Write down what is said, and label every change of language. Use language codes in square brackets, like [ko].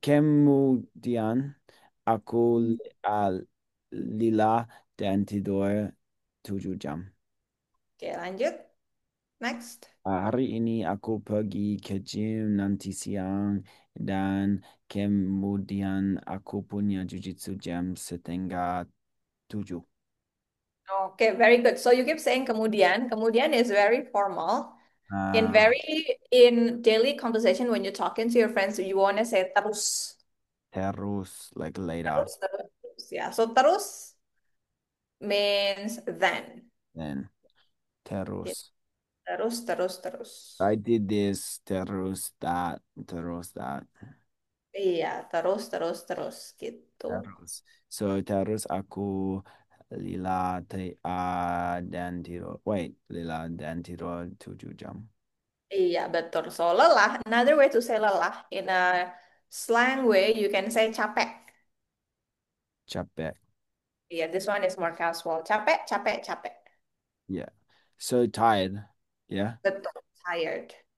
[id] Kemudian aku lila dan tidur 7 jam. Okay, lanjut. [en] Next. [id] Hari ini aku pergi ke gym nanti siang dan kemudian aku punya jujitsu jam setengah 7. [en] Okay, very good. So you keep saying kemudian. Kemudian is very formal. In daily conversation, when you're talking to your friends, you want to say terus. Terus, like later. Terus, terus, terus. Yeah, so terus means then. Then, terus. [id] Terus, terus, terus. [en] I did this, terus that, terus that. [id] Yeah, terus, terus, terus, gitu. Terus. So, terus aku lila dan tidur. Wait, lila dan tidur 7 jam. Iya, betul. So, lelah. [en] Another way to say lelah, in a slang way, you can say capek. [id] Capek. [en] Iya, this one is more casual. [id] Capek, capek, capek. [en] Yeah, so tired, yeah. [id] Betul, tired.